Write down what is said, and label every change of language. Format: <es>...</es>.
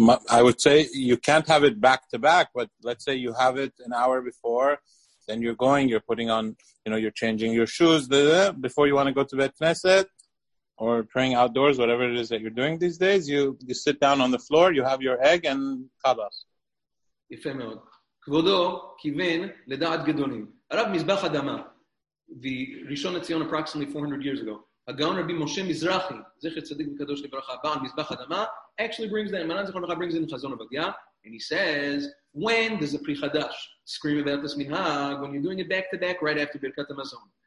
<en>I would say you can't have it back to back, but let's say you have it an hour before, then you're going, you're putting on, you know, you're changing your shoes before you want to go to Bet Knesset or praying outdoors, whatever it is that you're doing these days. You sit down on the floor, you have your egg and kabas.</en> <he>יפה מאוד. כבודו כיוון לדעת גדולים. הרב מזבח אדמה, וראשון לציון</he> <en>approximately 400 years ago,</en> <he>הגאון רבי משה מזרחי, זכר צדיק וקדוש לברכה, בעל מזבח אדמה,</he> <en>actually brings that,</en> <he>מנן זכר לך,</he> <en>brings in</en> <he>חזון הבדיה,</he> <en>and he says, when does the Pri Chadash scream about this minhag, when you're doing it back to back, right after Birkat HaMazon.</en>